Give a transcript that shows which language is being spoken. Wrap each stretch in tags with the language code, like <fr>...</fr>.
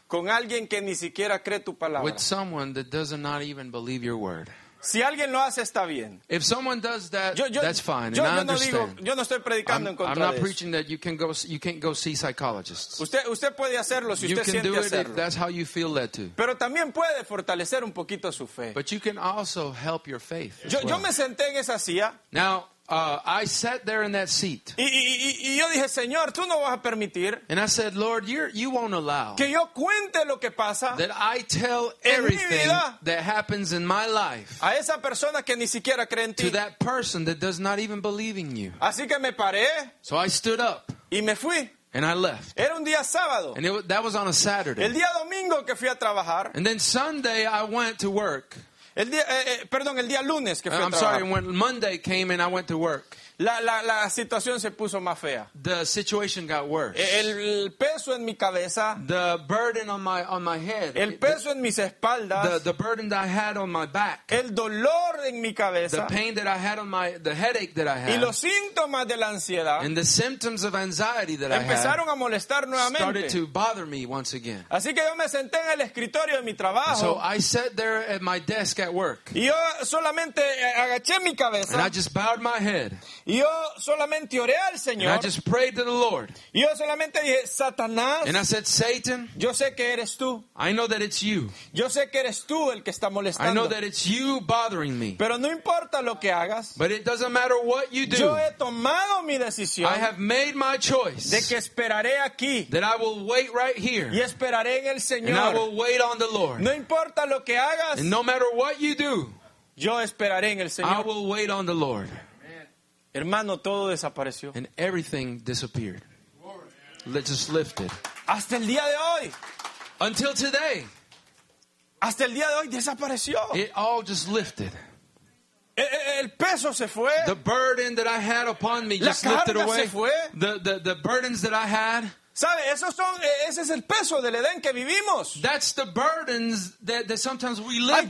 <es>Con alguien que ni siquiera cree tu palabra.</es> <en>With someone that does not even believe your word.</en> <es>Si alguien lo hace, está bien.</es> <en>If someone does that, that's fine.</en> <es>Yo</es> <en>I understand.</en> <es>No digo, yo no estoy predicando en contra de eso.</es> <en>I'm not preaching that you can't go see psychologists.</en> <es>Usted puede hacerlo si</es> <en>you</en> <es>usted siente</es> <en>do</en> <es>hacerlo.</es> <en>You can do it if that's how you feel led to.</en> <es>Pero también puede fortalecer un poquito su fe.</es> <en>But you can also help your faith.</en> <es>Yo me senté en esa silla.</es> <en>Now, I sat there in that seat.</en> <es>Y yo dije, Señor, tú no vas a permitir.</es> <en>And I said, Lord, you won't allow</en> <es>que yo cuente lo que pasa</es> <en>that I tell everything that happens in my life</en> <es>a esa persona que ni siquiera cree en ti.</es> <en>To that person that does not even believe in you.</en> <es>Así que me paré.</es> <en>So I stood up.</en> <es>Y me fui.</es> <en>And I left.</en> <es>Era un día sábado.</es> <en>And that was on a Saturday.</en> <es>El día domingo que fui a trabajar.</es> <en>And then Sunday I went to work.</en> <es>El día lunes que fui a trabajar.</es> <en>I'm sorry, when Monday came and I went to work.</en> <es>La situación se puso más fea.</es> <en>The situation got worse.</en> <es>El peso en mi cabeza.</es> <en>The burden on my head.</en> <es>El peso en mis espaldas.</es> <en>The burden that I had on my back.</en> <es>El dolor en mi cabeza.</es> <en>The pain that I had on my the headache that I had.</en> <es>Y los síntomas de la ansiedad.</es> <en>And the symptoms of anxiety that I had.</en> <es>Empezaron a molestar nuevamente.</es> <en>Started to bother me once again.</en> <es>Así que yo me senté en el escritorio de mi trabajo.</es> <en>So I sat there at my desk at work.</en> <es>Y yo solamente agaché mi cabeza.</es> <en>And I just bowed my head.</en> <es>Y yo solamente oré al Señor.</es> <en>And I just prayed to the Lord.</en> <es>Y yo solamente dije, Satanás.</es> <en>And I said, Satan.</en> <es>Yo sé que eres tú.</es> <en>I know that it's you.</en> <es>Yo sé que eres tú el que está molestando.</es> <en>I know that it's you bothering me.</en> <es>Pero no importa lo que hagas.</es> <en>But it doesn't matter what you do.</en> <es>Yo he tomado mi decisión.</es> <en>I have made my choice.</en> <es>De que esperaré aquí.</es> <en>That I will wait right here.</en> <es>Y esperaré en el Señor.</es> <en>And I will wait on the Lord.</en> <es>No importa lo que hagas.</es> <en>And no matter what you do.</en> <es>Yo esperaré en el Señor.</es> <en>I will wait on the Lord.</en> <es>Hermano, todo desapareció.</es> <en>And everything disappeared. Let's just lift it.</en> <es>Hasta el día de hoy.</es> <en>Until today.</en> <es>Hasta el día de hoy desapareció.</es> <en>It all just lifted.</en> <es>El peso se fue.</es> <en>The burden that I had upon me just lifted away.</en> <es>La carga se fue.</es> <en>The burdens that I had.</en> <es>¿Sabe? Esos son, ese es el peso del Edén que vivimos.</es> <en>That's the burdens that, that sometimes we live</en>